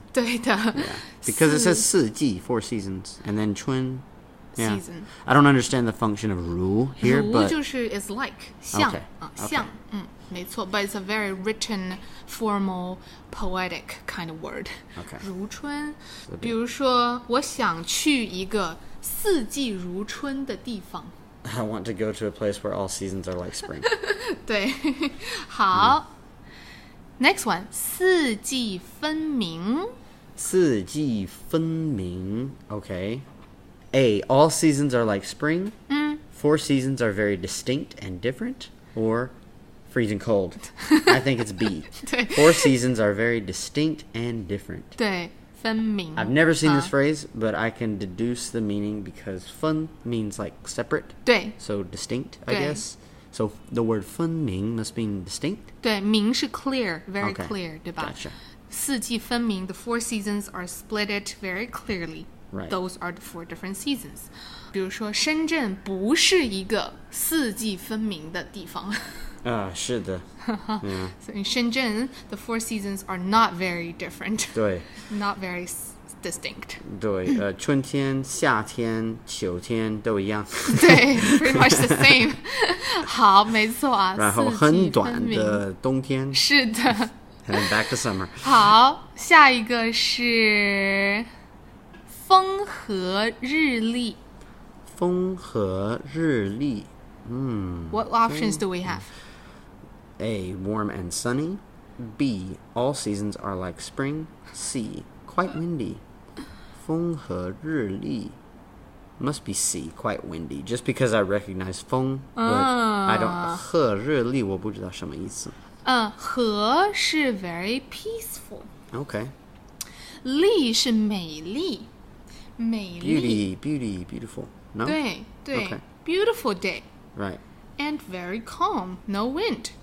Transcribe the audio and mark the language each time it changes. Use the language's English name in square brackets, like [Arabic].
[Chinese] 对的。 [English] Yeah. Because it says [Chinese] 四季, [English] four seasons, and then [Chinese] 春, [English] season. Yeah. I don't understand the function of [Chinese] 如 [English] here, [Chinese] 如 [English] but [Chinese] 就是 [English] is like, [Chinese] 像, [English] okay. [Chinese] 像, [English] okay. [Chinese] 嗯，没错, [English] but it's a very written, formal, poetic kind of word. Okay. [Chinese] 如春, 比如说, 我想去一个四季如春的地方。 [English] I want to go to a place where all seasons are like spring. [Chinese] 对，好。 [English] Mm. Next one, [Chinese] 四季分明。四季分明。 [English] Okay. A, all seasons are like spring. Mm. Four seasons are very distinct and different. Or freezing cold. I think it's B. [Chinese] 对。 [English] Four seasons are very distinct and different. [Chinese] 对。分明, [English] I've never seen this phrase, but I can deduce the meaning because [Chinese] 分 [English] means like separate. [Chinese] 对, [English] so distinct, I guess. So the word 分明 must mean distinct. [Chinese] 对, 明是 [English] clear, very okay, clear, [Chinese] 对吧? [English] Gotcha. [Chinese] 四季分明, [English] the four seasons are split very clearly. Right. Those are the four different seasons. [Chinese] 比如说深圳不是一个四季分明的地方。是的。 [English] So in Shenzhen, the four seasons are not very different. [Chinese] 对。 [English] Not very distinct. [Chinese] 对，春天、夏天、秋天都一样。对， [English] pretty much the same. [Chinese] 好，没错啊。然后很短的冬天。是的。 [English] And back to summer. [Chinese] 好，下一个是风和日丽。风和日丽。嗯。 [English] What options do we have? A, warm and sunny. B, all seasons are like spring. C, quite windy. [Chinese] 风和日丽 [English] must be C, quite windy. Just because I recognize [Chinese] 风, [English] but I don't... [Chinese] 和日丽我不知道什么意思。和是 [English] very peaceful. Okay. [Chinese] 丽是美丽。美丽 [English] beauty, beautiful. No? [Chinese] 对, [English] okay. Beautiful day. Right. And very calm, no wind.